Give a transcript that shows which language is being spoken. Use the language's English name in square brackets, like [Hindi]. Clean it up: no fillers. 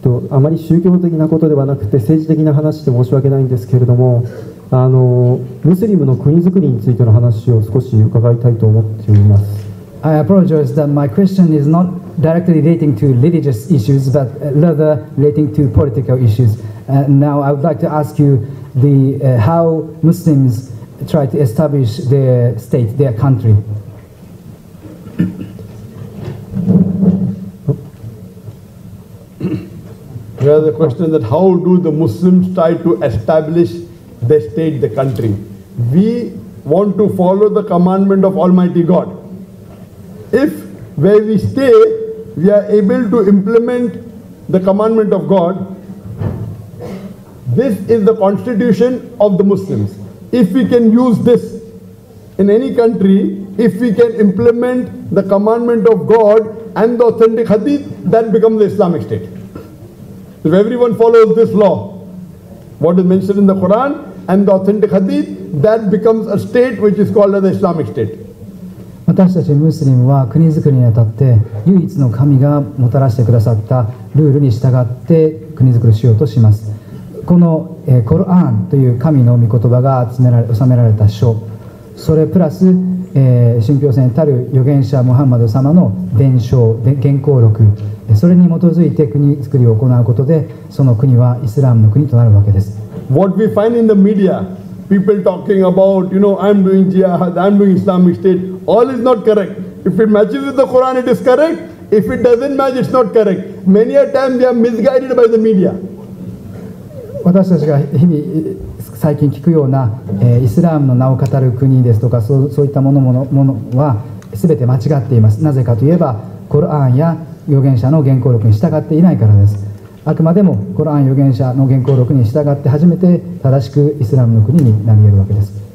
[Japanese] あまり宗教的なことではなくて政治的な話で申し訳ないんですけれども、ムスリムの国づくりについての話を少し伺いたいと思っています。 [English] I apologize that my question is not directly relating to religious issues, but rather relating to political issues. Now I would like to ask you how Muslims. Try to establish their state, their country. Well, the question is that how do the Muslims try to establish their state, the country? We want to follow the commandment of Almighty God. If where we stay, we are able to implement the commandment of God, this is the constitution of the Muslims. If we can use this in any country, if we can implement the commandment of God and the authentic hadith, that becomes the Islamic state. If everyone follows this law, what is mentioned in the Quran and the authentic hadith, that becomes a state which is called as the Islamic state. [Japanese] 私たちムスリムは国づくりにあたって唯一の神がもたらしてくださったルールに従って国づくりしようとします。このコルアンという神の御言葉が収められた書、それプラス信憑性たる預言者ムハンマド様の伝承原稿録、それに基づいて国づくりを行うことで、その国はイスラムの国となるわけです。 [English] What we find in the media, people talking about, you know, I'm doing jihad, I'm doing Islamic state, all is not correct. If it matches with the Quran, it is correct. If it doesn't match, it's not correct. Many a time they are misguided by the media. [Japanese] 私たちが日々最近聞くような、イスラームの名を語る国ですとか、そういったものは全て間違っています。なぜかといえば、コルアンや預言者の原稿録に従っていないからです。あくまでもコルアン預言者の原稿録に従って初めて正しくイスラームの国になり得るわけです。